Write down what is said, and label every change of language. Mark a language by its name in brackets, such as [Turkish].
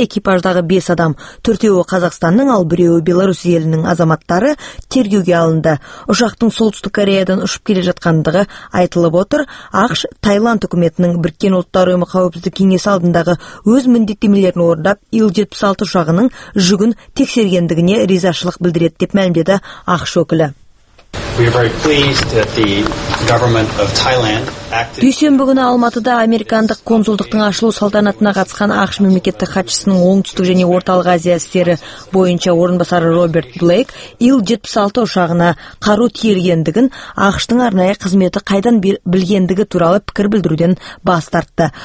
[Kazakh] Экипаждағы 5 адам, 4-еуі Қазақстанның, ал 1-еуі Беларусь елінің азаматтары тергеуге алынды. Ұшақтың Солтүстік Кореядан ұшып келе жатқандығы айтылып отыр. АқШ Таиланд үкіметінің Біріккен Ұлттар Ұйымы қауіпсіздік кеңесі алдындағы өз міндеттемелерін орындап, Ил-76 ұшағының жүгін тексергендігіне ризашылық білдіреді деп мәлімдеді АқШ өкілі. [English] We are very pleased that the government of Thailand acted. [Kazakh] Дүйсенбі күні Алматыда американдық консулдықтың ашылу салтанатына қатысқан АқШ мемлекеттік хатшысының оңтүстік және орталық Азия істері бойынша орынбасары Роберт Блейк Ил-76 ұшағына қару тиелгендігін АқШ-тың арнайы қызметі қайдан білгендігі туралы пікір білдіруден бас тартты.